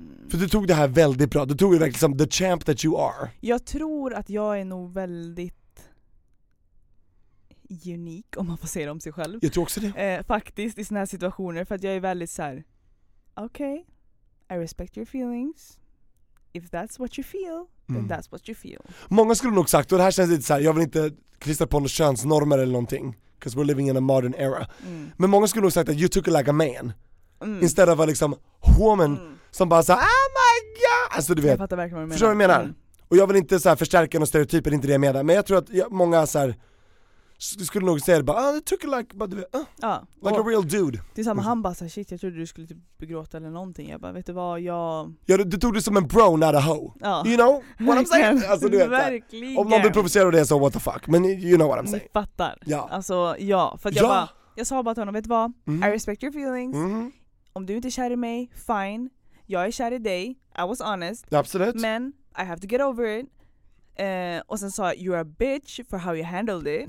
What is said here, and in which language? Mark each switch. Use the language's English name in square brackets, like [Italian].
[Swedish] För du tog det här väldigt bra. Du tog det verkligen som [English] the champ that you are. [Swedish] Jag tror att jag är nog väldigt unik, om man får säga det om sig själv. Jag tror också det. Faktiskt i såna här situationer, för att jag är väldigt så här, [English] okay, I respect your feelings. If that's what you feel, then that's what you feel. [Swedish] Många skulle nog sagt, och det här känns lite så här, jag vill inte klistra på några könsnormer eller någonting, [English] because we're living in a modern era. [Swedish] Men många skulle nog sagt att [English] you took it like a man. [Swedish] Istället av liksom woman som bara såhär, [English] oh my god, [Swedish] alltså du vet, jag fattar verkligen vad du menar. Förstår du vad jag menar? Och jag vill inte så här förstärka någon stereotyper, inte det jag menar, men jag tror att många så här skulle nog säga det, bara, [English] oh, I took it like, but, like a real dude. [Swedish] Det är samma, han bara såhär, shit, jag trodde du skulle typ gråta eller någonting. Jag bara, vet du vad, jag... Ja, du tog det som en bro, [English] not a hoe. [Swedish] Ja. [English] You know what I'm saying? [Swedish] Alltså, du vet, verkligen. Om någon vill provocera det, så [English] what the fuck. Men you know what I'm saying. [Swedish] Ni fattar. Ja. Alltså, ja. För att jag sa bara till honom, vet du vad, [English] I respect your feelings. [Swedish] Om du inte är kär i mig, fine. Jag är kär i dig. [English] I was honest. [Swedish] Absolut. [English] Men I have to get over it. [Swedish] Och sen sa jag, [English] you're a bitch for how you handled it.